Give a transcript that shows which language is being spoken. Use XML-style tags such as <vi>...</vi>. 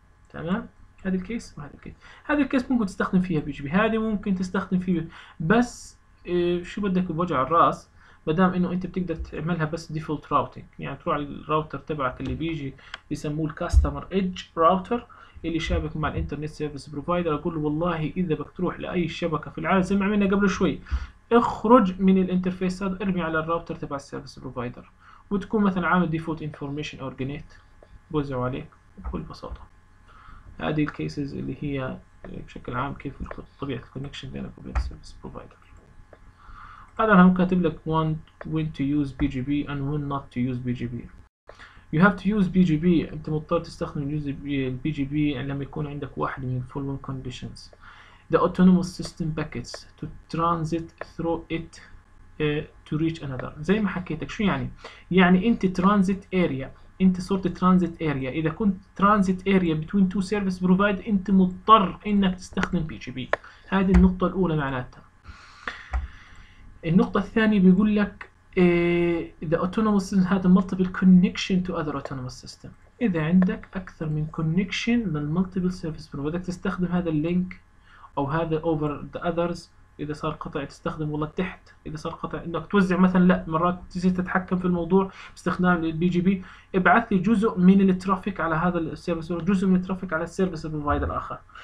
<ar>تمام، هذا الكيس وهذا الكيس، هذا الكيس ممكن تستخدم فيها بي جي بي، هذه ممكن تستخدم فيه بس شو بدك بوجع الراس، ما دام انه انت بتقدر تعملها بس ديفولت راوتنج، يعني تروح على الراوتر تبعك اللي بيجي بيسموه الكاستمر ايدج راوتر اللي شابك مع الانترنت سيرفيس بروفايدر، اقول له والله اذا بدك تروح لاي شبكه في العالم زي ما عملنا قبل شوي، اخرج من الانترفيس هذا، ارمي على الراوتر تبع السيرفيس بروفايدر، وتكون مثلا عامل ديفولت انفورميشن اورجنيت بوزعوا عليك بكل بساطه. هذه الكيسز اللي هي بشكل عام كيف طبيعه الكونكشن بينك وبين السيرفيس بروفايدر. هذا انا كاتب لك when to use BGP and when not to use BGP.</ar> <en>You have to use BGP، انت مضطر تستخدم BGP لما يكون عندك واحد من following conditions: the autonomous system packets to transit through it to reach another.</en> <ar>زي ما حكيتك شو يعني؟ يعني انت transit area، انت صرت transit area، اذا كنت transit area between two service provider انت مضطر انك تستخدم BGP. هذه النقطة الأولى معناتها. النقطة الثانية بيقول لك the autonomous system had multiple connection to other autonomous system. إذا عندك أكثر من connection من multiple service provider بدك تستخدم هذا اللينك أو هذا over the others. إذا صار قطع تستخدم والله تحت، إذا صار قطع إنك توزع مثلا، لا مرات تصير تتحكم في الموضوع باستخدام البي جي بي، ابعث لي جزء من الترافيك على هذا السيرفس وجزء من الترافيك على السيرفس بروفايدر الآخر.</ar>